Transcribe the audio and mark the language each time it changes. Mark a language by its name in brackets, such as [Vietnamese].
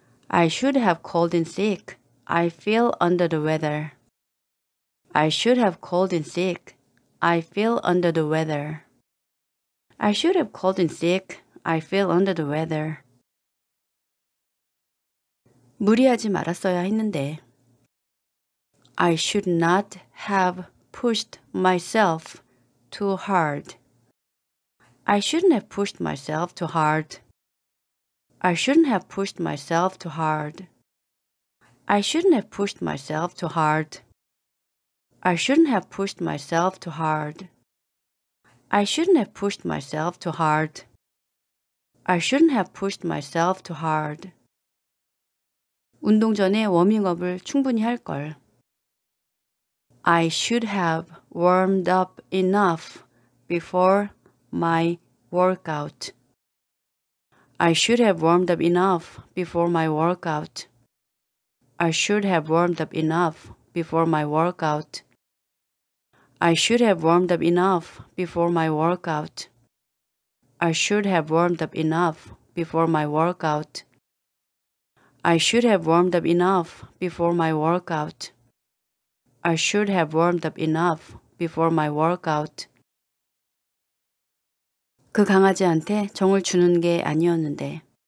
[English] I should have called in sick. I feel under the weather. I should have called in sick. I feel under the weather. I should have called in sick. I feel under the weather. [Korean] 무리하지 말았어야 했는데. [English] I should not have pushed myself too hard. I shouldn't have pushed myself too hard. I shouldn't have pushed myself too hard. I shouldn't have pushed myself too hard. I shouldn't have pushed myself too hard. I shouldn't have pushed myself too hard. I shouldn't have pushed myself too hard. [Korean] 운동 전에 워밍업을 충분히 할 걸. [English] I should have warmed up enough before my workout. I should have warmed up enough before my workout. I should have warmed up enough before my workout. I should have warmed up enough before my workout. I should have warmed up enough before my workout. I should have warmed up enough before my workout. I should have warmed up enough before my workout. [Korean] 그 강아지한테 정을 주는 게 아니었는데.